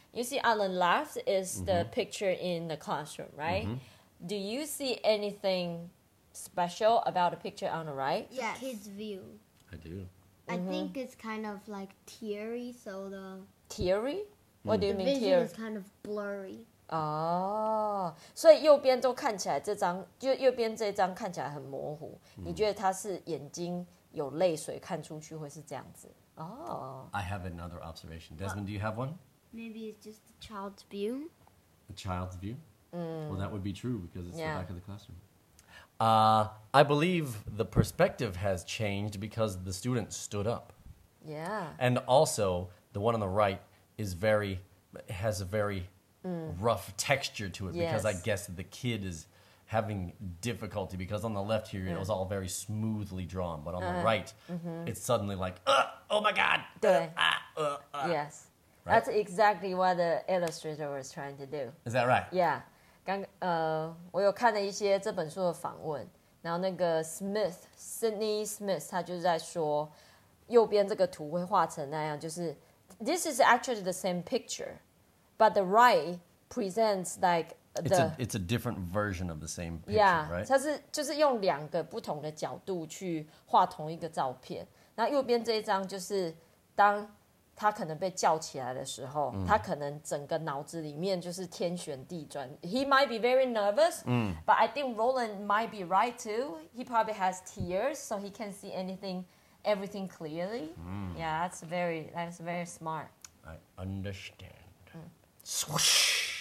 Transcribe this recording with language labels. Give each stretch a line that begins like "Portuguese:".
English: You see, on the left is the picture in the classroom, right? Mm-hmm. Do you see anything special about the picture on the right? Yes. Kids' view. I do. Mm-hmm. I think it's kind of like teary, so the... Teary? Mm-hmm. What do you the mean vision teary? Vision is kind of blurry. Oh.
Chinese: 所以右边都看起来这张,就右边这张看起来很模糊。你觉得它是眼睛有泪水看出去会是这样子? Oh.
English: I have another observation. Desmond, do you have one? Maybe it's just a child's view. A child's view? Mm. Well, that would be true because it's the back of the classroom. I believe the perspective has changed because the student stood up. Yeah. And also, the one on the right is very has a very rough texture to it because I guess the kid is having difficulty because on the left here, yeah. it was all very smoothly drawn. But on the right, mm-hmm. it's suddenly like, oh my God. Yes. Right? That's exactly what the illustrator was trying to do. Is that right? Yeah.
Chinese: 我有看了一些这本书的访问。然后那个
English: Smith, Sydney Smith,
Chinese: 他就是在说右边这个图会画成那样, 就是,
English: this is actually the same picture, but the right presents like the... It's a different version of the same picture, yeah, right?
Chinese: Yeah, 它是就是用两个不同的角度去画同一个照片, 然后右边这一张就是当他可能被叫起来的时候, mm. 他可能整个脑子里面就是天旋地转,
English: he might be very nervous, mm. but I think Roland might be right too. He probably has tears, so he can see anything, everything clearly. Mm. Yeah, that's very smart. I understand. Mm. Swoosh!